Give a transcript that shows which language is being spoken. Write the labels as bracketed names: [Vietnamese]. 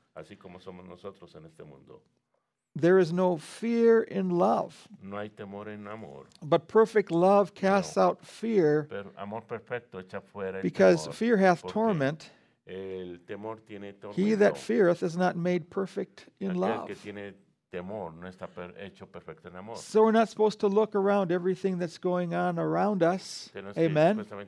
[Spanish] Así como somos nosotros en este mundo. [English] There is no fear in love. [Spanish] No hay temor en amor. [English] But perfect love casts out fear. [Spanish] Pero amor perfecto echa fuera el [English] because [Spanish] temor. [English] Fear hath torment. [Spanish] El temor tiene tormento. [English] He that feareth is not made perfect in [Spanish] aquel [English] love. [Spanish] Que tiene temor no está hecho perfecto en amor. [English] So we're not supposed to look around everything that's going on around us. Amen.